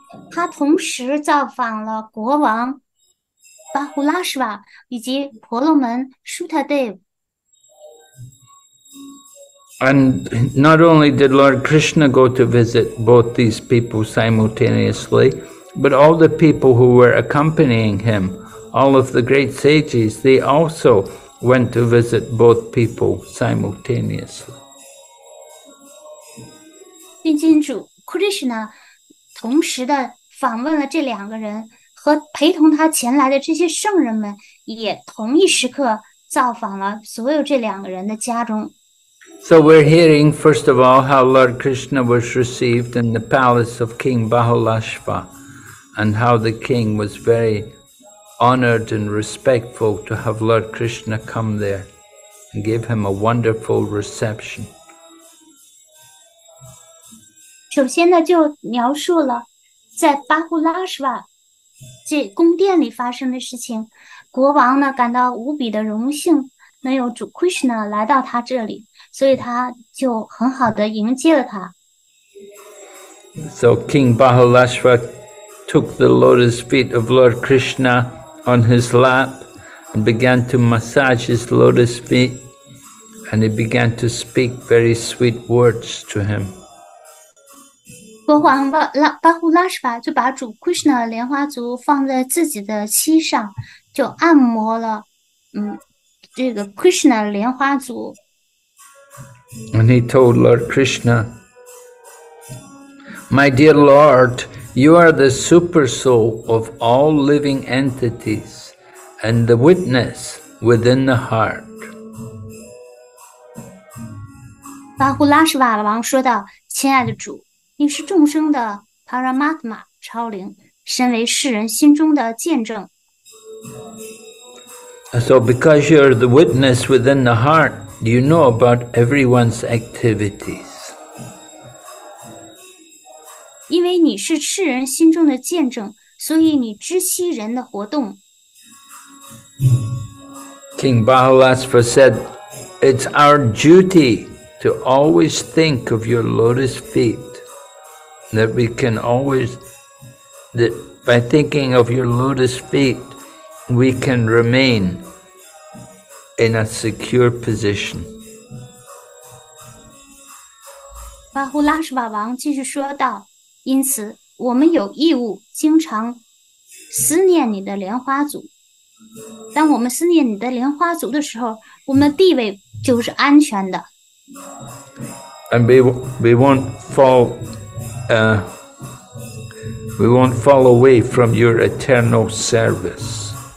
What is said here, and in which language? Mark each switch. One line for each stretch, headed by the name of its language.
Chinese: 他同时造访了国王巴胡拉什瓦以及婆罗门舒塔德。
English: And not only did Lord Krishna go to visit both these people simultaneously, but all the people who were accompanying him, all of the great sages, they also went to visit both people simultaneously.
Chinese: 并经主 Krishna 同时的访问了这两个人，和陪同他前来的这些圣人们，也同一时刻造访了所有这两个人的家中。
English: So we're hearing, first of all, how Lord Krishna was received in the palace of King Bahulashva, and how the king was very honored and respectful to have Lord Krishna come there and give him a wonderful reception.
Chinese: 首先呢，就描述了在巴胡拉什瓦这宫殿里发生的事情。国王呢感到无比的荣幸，能有主 Krishna 来到他这里，所以他就很好的迎接了他。
English: So King Bahulashva took the lotus feet of Lord Krishna on his lap and began to massage his lotus feet, and he began to speak very sweet words to him.
Chinese: 国王巴胡拉什瓦就把主 Krishna 莲花足放在自己的膝上，就按摩了，这个 Krishna 莲花足。
English: And he told Lord Krishna, "My dear Lord, you are the super soul of all living entities and the witness within the heart."
Chinese: 巴胡拉什瓦王说道：“亲爱的主。” 你是众生的 Paramatma 超灵，身为世人心中的见证。
English: So, because you're the witness within the heart, you know about everyone's activities.
Chinese: 因为你是世人心中的见证，所以你知悉人的活动。
English: King Bahulasva said, "It's our duty to always think of your lotus feet, that we can always, that by thinking of your lotus feet, we can remain in a secure position."
Chinese: 巴胡拉什瓦王继续说道：“因此，我们有义务经常思念你的莲花组。” 当我们思念你的莲花族的时候，我们的地位就是安全的。
English: And we won't fall away from your eternal service.